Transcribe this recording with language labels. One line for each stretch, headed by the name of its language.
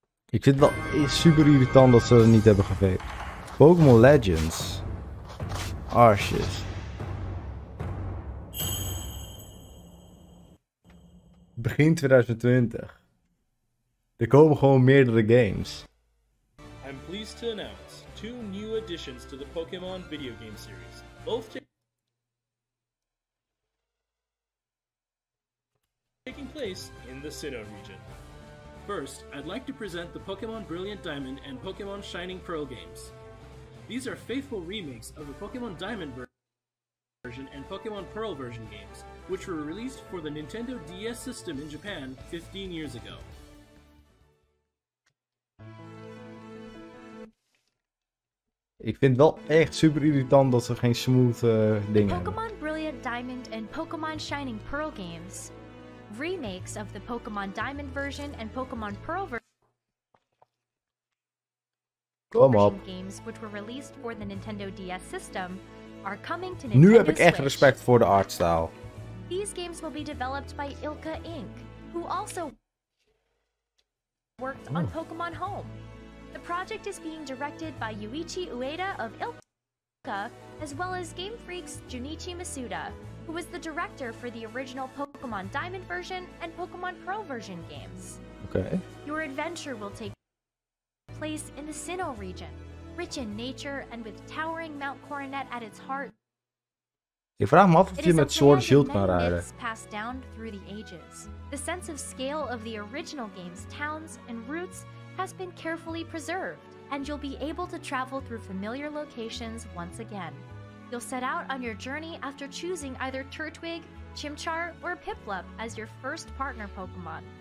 Dutch: Ik vind het wel super irritant dat ze het niet hebben geveegd. Pokémon Legends. Arsjes. Begin 2020. Er komen gewoon meerdere games.
English: I'm pleased to announce. Two new additions to the Pokemon video game series. Both taking place in the Sinnoh region. First, I'd like to present the Pokemon Brilliant Diamond and Pokemon Shining Pearl games. These are faithful remakes of the Pokemon Diamond version and Pokemon Pearl version games, which were released for the Nintendo DS system in Japan 15 years ago.
Dutch: Ik vind het wel echt super irritant dat ze geen smooth dingen hebben. Pokémon Brilliant Diamond en Pokémon Shining Pearl games.
English: Remakes of the Pokémon Diamond version en Pokémon Pearl version games, which were released for the Nintendo DS system, are coming to Nintendo Switch.
Dutch: Nu heb ik echt respect voor de artstyle.
English: These games will be developed by Ilka Inc., who also worked on Pokémon Home. The project is being directed by Yuichi Ueda of Ilka, as well as Game Freak's Junichi Masuda, who was the director for the original Pokemon Diamond version and Pokemon Pearl version games. Okay. Your adventure will take place in the Sinnoh region, rich in nature and with towering Mount Coronet at its heart.
Dutch: Ik vraag me af of je met Sword Shield kan rijden.
English: Passed down through the ages. The sense of scale of the original game's towns and routes has been carefully preserved, and you'll be able to travel through familiar locations once again. You'll set out on your journey after choosing either Turtwig, Chimchar, or Piplup as your first partner Pokemon.